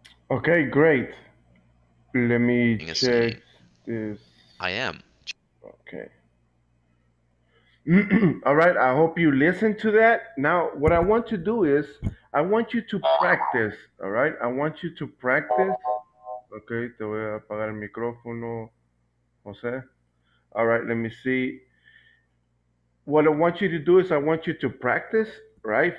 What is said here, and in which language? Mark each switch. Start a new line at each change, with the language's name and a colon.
English: Okay, great. Let me check this. I am. Okay. All right, I hope you listen to that. Now, what I want to do is I want you to practice, all right? I want you to practice.
Spanish: Okay, te voy a apagar el micrófono, José.
English: All right, let me see. What I want you to do is I want you to practice, right?